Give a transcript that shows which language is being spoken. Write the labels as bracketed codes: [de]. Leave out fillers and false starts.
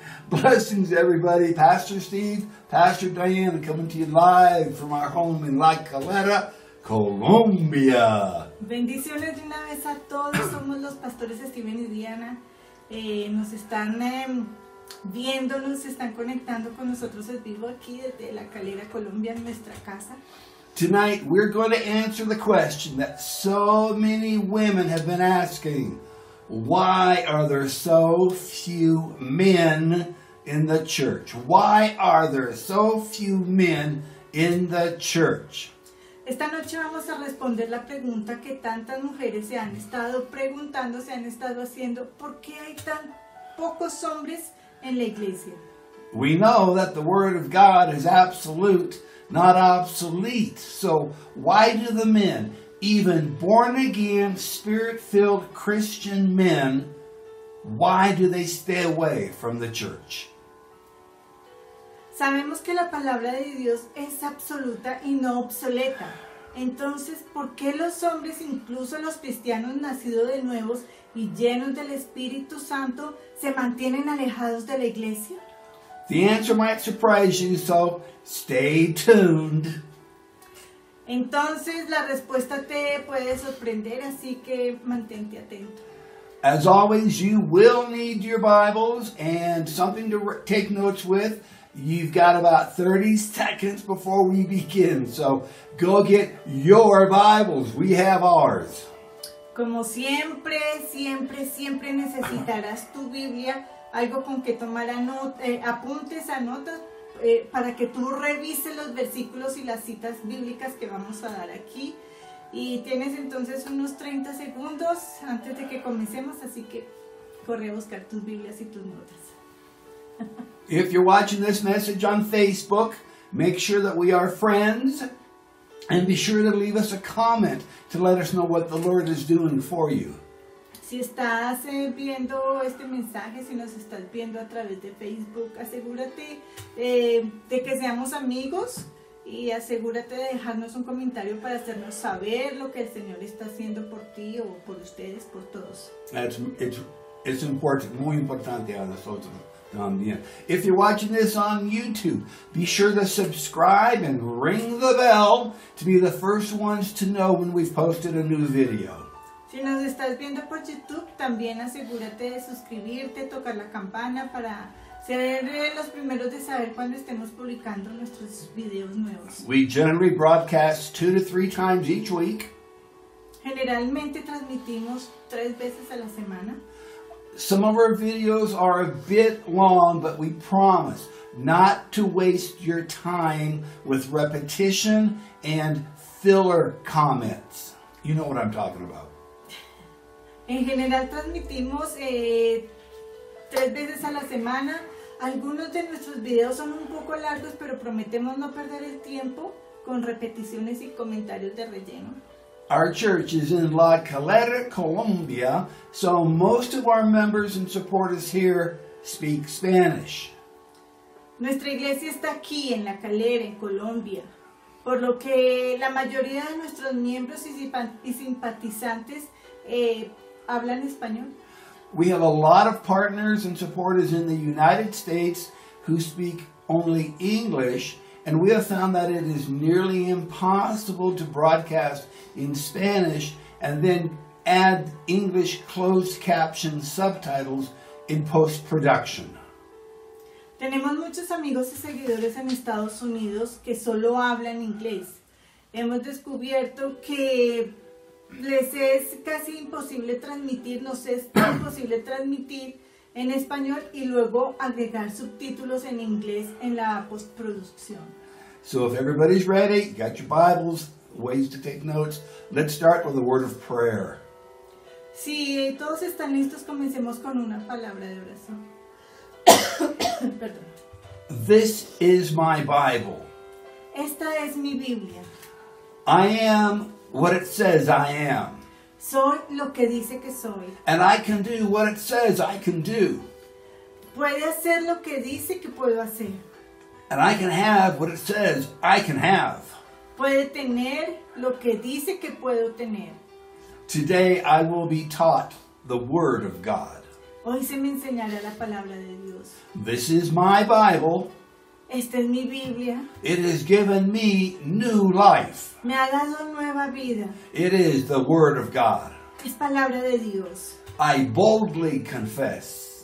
[en] Blessings, everybody. Pastor Steve, Pastor Diane, coming to you live from our home in La Calera, Colombia. [es] Bendiciones de una vez a todos. Somos los pastores Steven y Diana. Nos están viéndonos, se están conectando con nosotros en vivo aquí desde La Calera, Colombia, en nuestra casa. [en] Tonight we're going to answer the question that so many women have been asking. Why are there so few men in the church? Why are there so few men in the church? [es] Esta noche vamos a responder la pregunta que tantas mujeres se han estado preguntando, se han estado haciendo. ¿Por qué hay tan pocos hombres en la iglesia? [en] We know that the word of God is absolute, not obsolete. So why do the men, even born-again, spirit-filled Christian men, why do they stay away from the church? [es] Sabemos que la palabra de Dios es absoluta y no obsoleta. Entonces, ¿por qué los hombres, incluso los cristianos nacidos de nuevos y llenos del Espíritu Santo, se mantienen alejados de la iglesia? [en] The answer might surprise you, so stay tuned. [es] Entonces, la respuesta te puede sorprender, así que mantente atento. [en] As always, you will need your Bibles and something to take notes with. You've got about 30 seconds before we begin, so go get your Bibles. We have ours. [es] Como siempre, siempre, siempre necesitarás tu Biblia, algo con que tomar apuntes, anotas, para que tú revises los versículos y las citas bíblicas que vamos a dar aquí. Y tienes entonces unos 30 segundos antes de que comencemos, así que corre a buscar tus Biblias y tus notas. [en] If you're watching this message on Facebook, make sure that we are friends and be sure to leave us a comment to let us know what the Lord is doing for you. [es] Si estás viendo este mensaje, si nos estás viendo a través de Facebook, asegúrate de que seamos amigos y asegúrate de dejarnos un comentario para hacernos saber lo que el Señor está haciendo por ti o por ustedes, por todos. It's important, muy importante a nosotros. [en] If you're watching this on YouTube, be sure to subscribe and ring the bell to be the first ones to know when we've posted a new video. [es] Si nos estás viendo por YouTube, también asegúrate de suscribirte, tocar la campana para ser los primeros de saber cuando estemos publicando nuestros videos nuevos. [en] We generally broadcast 2 to 3 times each week. [es] Generalmente transmitimos 3 veces a la semana. [en] Some of our videos are a bit long, but we promise not to waste your time with repetition and filler comments. You know what I'm talking about. [es] En general, transmitimos 3 veces a la semana. Algunos de nuestros videos son un poco largos, pero prometemos no perder el tiempo con repeticiones y comentarios de relleno. [en] Our church is in La Calera, Colombia, so most of our members and supporters here speak Spanish. [es] Nuestra iglesia está aquí en La Calera, en Colombia, por lo que la mayoría de nuestros miembros y simpatizantes hablan español. [en] We have a lot of partners and supporters in the United States who speak only English. And we have found that it is nearly impossible to broadcast in Spanish and then add English closed caption subtitles in post-production. [es] Tenemos muchos amigos y seguidores en Estados Unidos que solo hablan inglés. Hemos descubierto que les es casi imposible transmitir, nos es imposible transmitir en español y luego agregar subtítulos en inglés en la postproducción. [en] So if everybody's ready, you got your Bibles, ways to take notes, let's start with a word of prayer. [es] Si todos están listos, comencemos con una palabra de oración. Perdón. [en] This is my Bible. [es] Esta es mi Biblia. [en] I am what it says I am. [es] Soy lo que dice que soy. [en] And I can do what it says I can do. [es] Puede hacer lo que dice que puedo hacer. [en] And I can have what it says I can have. [es] Puede tener lo que dice que puedo tener. [en] Today I will be taught the Word of God. [es] Hoy se me enseñará la palabra de Dios. [en] This is my Bible. [es] Esta es mi Biblia. [en] It has given me new life. [es] Me ha dado nueva vida. [en] It is the Word of God. [es] Es palabra de Dios. [en] I boldly confess.